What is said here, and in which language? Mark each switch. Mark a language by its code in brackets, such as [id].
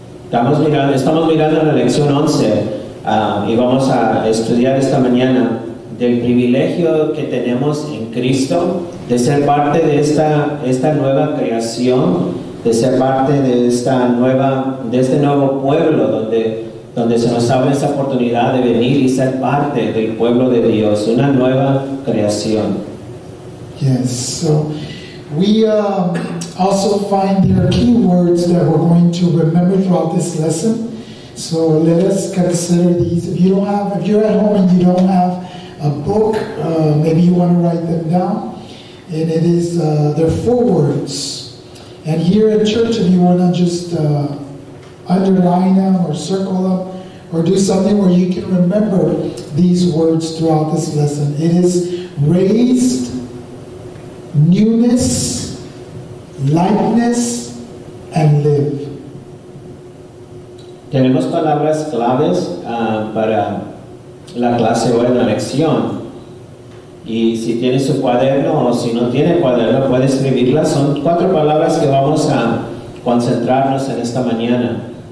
[es] Estamos mirando la lección 11 y vamos a estudiar esta mañana del privilegio que tenemos en Cristo de ser parte de esta nueva creación, de ser parte de este nuevo pueblo donde se nos abre esa oportunidad de venir y ser parte del pueblo de Dios, una nueva creación. [en] Yes, so we also find there key words that we're going to remember throughout this lesson. So let us consider these. If you're at home and you don't have a book, maybe you want to write them down. And it is, there are four words. And here at church, if you want to just underline them or circle them or do something where you can remember these words throughout this lesson, it is raised, newness, likeness, and live. [es] Tenemos palabras claves para la clase hoy en la lección. Y si tiene su cuaderno o si no tiene cuaderno, puede escribirlas. Son cuatro palabras que vamos a concentrarnos en esta mañana.